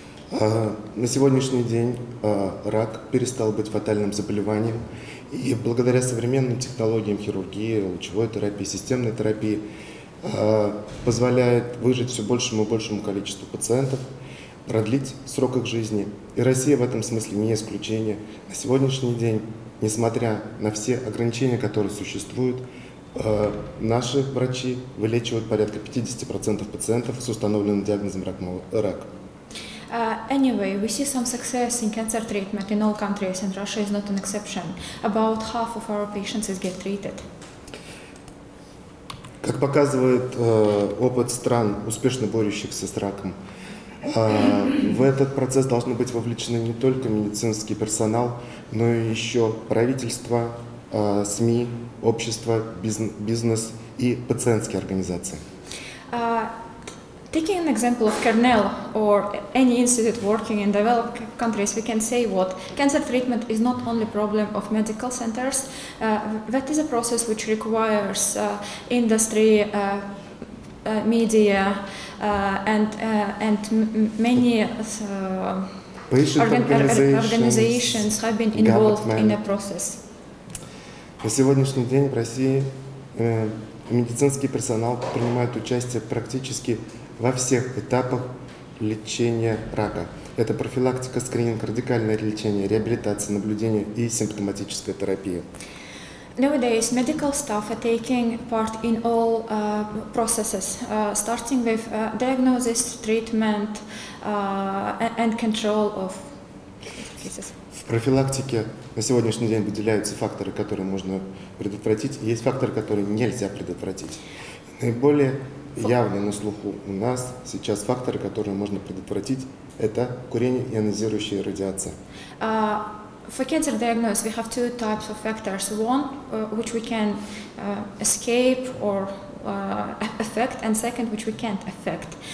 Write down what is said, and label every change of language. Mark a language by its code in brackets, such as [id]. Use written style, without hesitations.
[ru] На сегодняшний день рак перестал быть фатальным заболеванием, и благодаря современным технологиям хирургии, лучевой терапии, системной терапии позволяет выжить все большему и большему количеству пациентов, продлить срок их жизни. И Россия в этом смысле не исключение. На сегодняшний день, несмотря на все ограничения, которые существуют, наши врачи вылечивают порядка 50% пациентов с установленным диагнозом рак. [en] Anyway, we see some success in cancer treatment in all countries, and Russia is not an exception. About half of our patients get treated. [ru] Как показывает опыт стран, успешно борющихся с раком, в этот процесс должны быть вовлечены не только медицинский персонал, но и еще правительство, СМИ, общество, бизнес и пациентские организации. [en] Taking an example of Cornell or any institute working in developed countries, we can say what cancer treatment is not only a problem of medical centers. That is a process which requires industry, media, and many organizations have been involved in the process. [ru] На сегодняшний день в России медицинский персонал принимает участие практически во всех этапах лечения рака. Это профилактика, скрининг, радикальное лечение, реабилитация, наблюдение и симптоматическая терапия. [en] Nowadays, medical staff are taking part in all processes, starting with diagnosis, treatment and control of cases. [ru] В профилактике на сегодняшний день выделяются факторы, которые можно предотвратить, есть факторы, которые нельзя предотвратить. Наиболее явно на слуху у нас сейчас факторы, которые можно предотвратить, это курение и ионизирующая радиация. [en] For cancer diagnosis, we have two types of factors. One, which we can escape or affect, and second, which we can't affect.